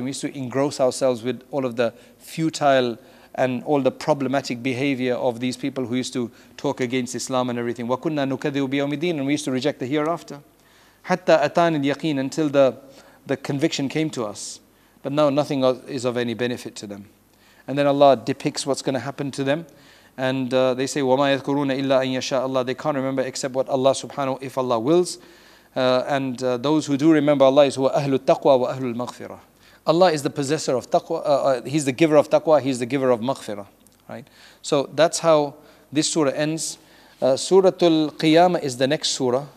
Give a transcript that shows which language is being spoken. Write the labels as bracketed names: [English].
[English] We used to engross ourselves with all of the futile and all the problematic behavior of these people who used to talk against Islam and everything. [Arabic] وَكُنَّا نُكَذِّبُ بِيَوْمِ الدِّينِ. [English] And we used to reject the hereafter. [Arabic] حَتَّى أَتَانِ الْيَقِينَ. [English] Until the conviction came to us. But now nothing is of any benefit to them. And then Allah depicts what's going to happen to them. And they say, [Arabic] وَمَا يَذْكُرُونَ إِلَّا أَن يَشَاءَ اللَّهِ. [English] They can't remember except what Allah subhanahu, if Allah wills. Those who do remember Allah is who are [Arabic] أَهْلُ التَّقْوَى وَأَهْلُ الْمَغْفِرَةِ. [English] Allah is the possessor of taqwa, He's the giver of taqwa, He's the giver of maghfirah, right? So that's how this surah ends. Suratul Qiyamah is the next surah.